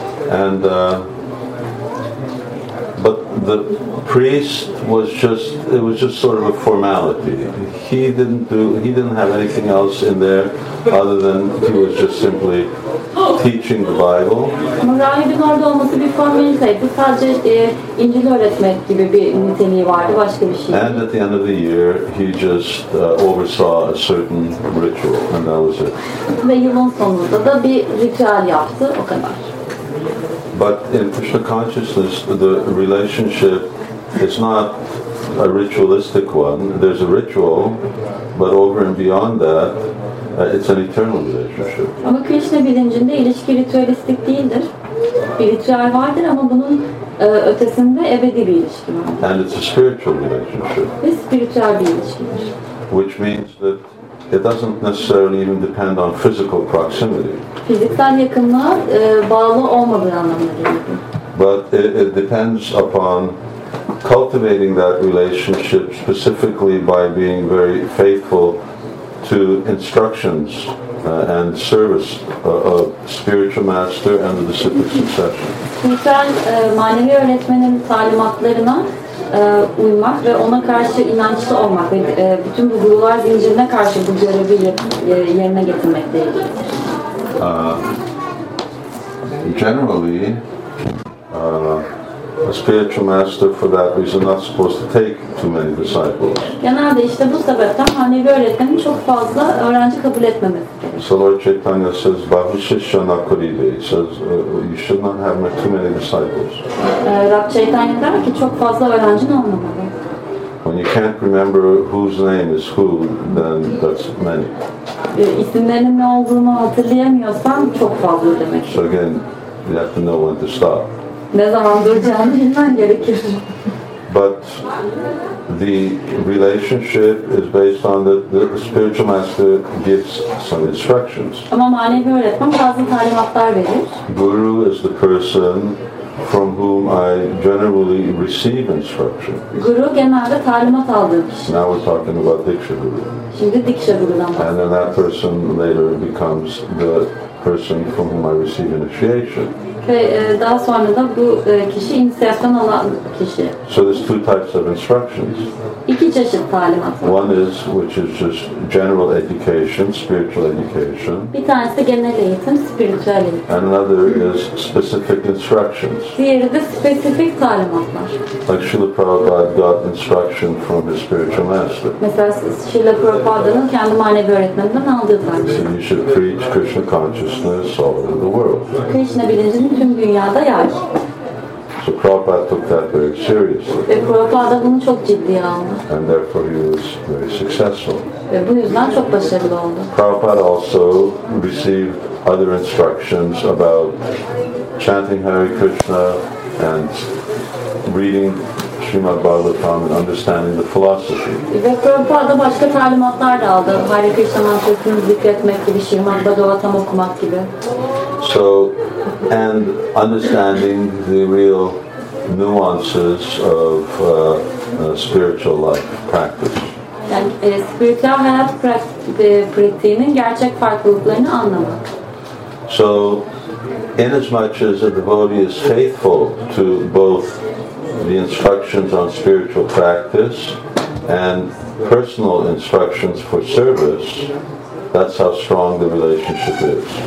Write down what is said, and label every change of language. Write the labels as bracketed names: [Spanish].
[English] And but the priest was just sort of a formality. He didn't have anything else in there other than he was just simply teaching the Bible. [Turkish] Rahibin orada olması bir formaliteydi. Sadece İncil öğretmek gibi bir niteliği vardı, başka bir şey. [English] And at the end of the year, he just oversaw a certain ritual, and that was it. [Turkish] Ve yılın sonunda da bir ritüel yaptı, o kadar. [English] But in Krishna consciousness, the relationship is not a ritualistic one. There's a ritual, but over and beyond that, it's an eternal relationship. [Turkish] Ama Krishna bilincinde ilişki ritualistik değildir. Bir ritüel vardır ama bunun ötesinde ebedi bir ilişki vardır. [English] And it's a spiritual relationship. [Turkish] Bir spiritual bir ilişkidir. [English] Which means that it doesn't necessarily even depend on physical proximity. [Turkish] Fiziksel yakınlığa bağlı olmadığı anlamına geliyor. [English] But it depends upon cultivating that relationship specifically by being very faithful to instructions and service of spiritual master and the disciple succession. [Turkish] Fiziksel manevi öğretmenin talimatlarına uymak ve ona karşı inançlı olmak ve bütün bu gurular zincirine karşı bu görevi yerine getirmekle ilgili. [English] Generally, a spiritual master for that reason not supposed to take too many disciples. [Turkish] Genelde işte bu sebepten manevi öğretmenin çok fazla öğrenci kabul etmemesi. [English] So Lord Chaitanya says, "Bhavishishya nakuride." He says, "You should not have too many disciples." [Turkish] Rab Chaitanya der ki, çok fazla öğrencin olmamalı. [English] When you can't remember whose name is who, then that's many. [Turkish] İsimlerin ne olduğunu hatırlayamıyorsan çok fazla demek. [English] So again, you have to know when to stop. [Turkish] Ne zaman duracağını bilmen gerekir. [English] But the relationship is based on that the spiritual master gives some instructions. [Turkish] Ama manevi öğretmen bazı talimatlar verir. [English] Guru is the person from whom I generally receive instruction. [Turkish] Guru genelde talimat aldığı kişi. [English] Now we're talking about Diksha Guru. [Turkish] Şimdi Diksha Guru'dan bahsediyoruz. [English] And then that person later becomes the person from whom I receive initiation. [Turkish] Daha sonra da bu kişi inisiyasyon alan kişi. [English] So there's two types of instructions. [Turkish] İki çeşit talimat. [English] One is which is just general education, spiritual education. [Turkish] Bir tanesi genel eğitim, spiritual eğitim. [English] And another is specific instructions. [Turkish] Diğeri de spesifik talimatlar. [English] Like Srila Prabhupada got instruction from his spiritual master. [Turkish] Mesela Srila Prabhupada'nın kendi manevi öğretmeninden aldığı talimatlar. [English] You should preach Krishna consciousness all over the world. [Turkish] Krishna bilincini tüm dünyada yay. [English] So Prabhupada took that very seriously. [Turkish] Ve Prabhupada bunu çok ciddiye aldı. [English] And therefore he was very successful. [Turkish] Ve bu yüzden çok başarılı oldu. [English] Prabhupada also received other instructions about chanting Hare Krishna and reading Srimad Bhagavatam and understanding the philosophy. [Turkish] Ve Prabhupada başka talimatlar da aldı. Hare Krishna mantrasını zikretmek gibi, Srimad Bhagavatam okumak gibi. So, and understanding the real nuances of spiritual life practice. Yani spiritual hayat pratiğinin gerçek farklılıklarını anlamak. [English] So, inasmuch as a devotee is faithful to both the instructions on spiritual practice and personal instructions for service, that's how strong the relationship is.